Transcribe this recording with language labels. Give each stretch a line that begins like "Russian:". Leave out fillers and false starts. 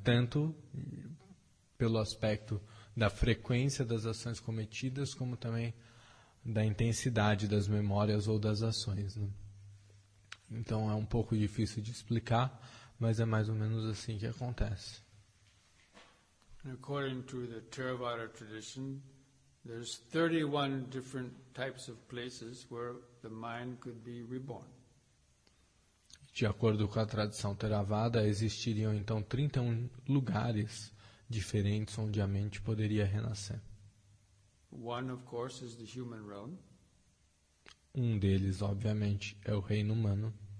Portuguese: Tanto pelo aspecto da frequência das ações cometidas, como também da intensidade das memórias ou das ações, né? Então, é um pouco difícil de explicar, mas é mais ou menos assim que acontece.
English: According to the Theravada tradition, there's 31 different types of places where the mind could be reborn.
Portuguese: De acordo com a tradição Theravada, existiriam então 31 lugares diferentes onde a mente poderia renascer.
English: One, of course, is the human realm.
Portuguese: Um deles, obviamente, é o reino humano.